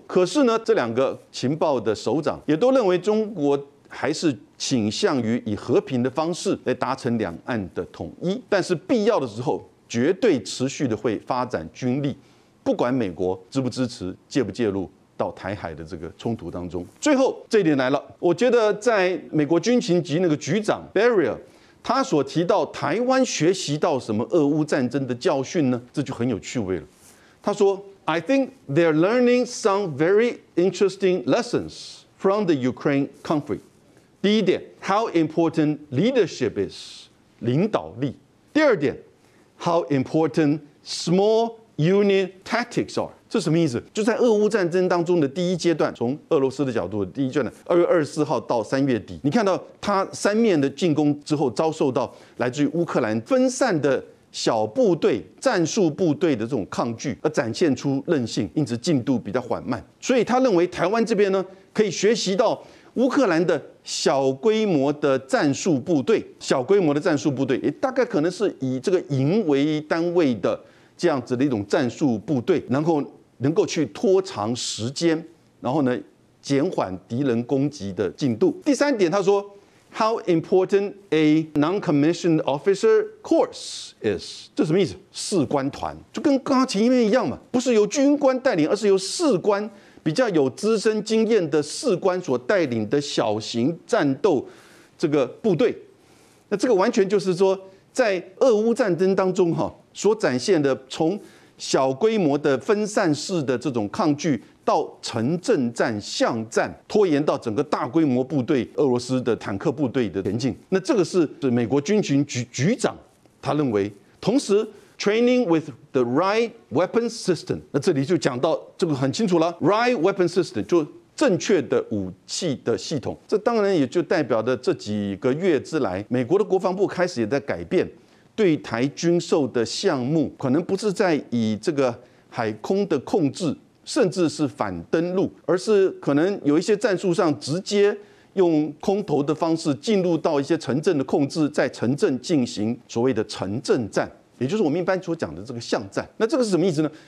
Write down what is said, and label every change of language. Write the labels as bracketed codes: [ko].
[zh] 可是呢，这两个情报的首长也都认为中国还是倾向于以和平的方式来达成两岸的统一，但是必要的时候绝对持续的会发展军力，不管美国支不支持，介不介入到台海的这个冲突当中。最后这一点来了，我觉得在美国军情局那个局长 Barrier他所提到台湾学习到什么俄乌战争的教训呢？这就很有趣味了。 [en] 他说 ：“I think they're learning some very interesting lessons from the Ukraine conflict. [zh] 第一点 [en] ，how important leadership is， [zh] 领导力；第二点 [en] ，how important small unit tactics are。” [zh] 这什么意思？就在俄乌战争当中的第一阶段，从俄罗斯的角度的第一阶段，2月24号到3月底，你看到他三面的进攻之后，遭受到来自于乌克兰分散的小部队、战术部队的这种抗拒，而展现出韧性，因此进度比较缓慢。所以他认为台湾这边呢，可以学习到乌克兰的小规模的战术部队，小规模的战术部队，大概可能是以这个营为单位的这样子的一种战术部队，然后能够去拖长时间，然后呢减缓敌人攻击的进度。第三点，他说 [en] ，How important a non-commissioned officer course is？ [zh] 这什么意思？士官团就跟刚刚前面一样嘛，不是由军官带领，而是由士官比较有资深经验的士官所带领的小型战斗这个部队。那这个完全就是说，在俄乌战争当中所展现的从小规模的分散式的这种抗拒，到城镇战、巷战，拖延到整个大规模部队、俄罗斯的坦克部队的前进，那这个是美国军情局局长他认为。同时， [en] training with the right weapon system. [zh] 那这里就讲到这个很清楚了 ， [en] right weapon system [zh] 就正确的武器的系统。这当然也就代表的这几个月之来，美国的国防部开始也在改变对台军售的项目，可能不是在以这个海空的控制，甚至是反登陆，而是可能有一些战术上直接用空投的方式进入到一些城镇的控制，在城镇进行所谓的城镇战，也就是我们一般所讲的这个巷战。那这个是什么意思呢？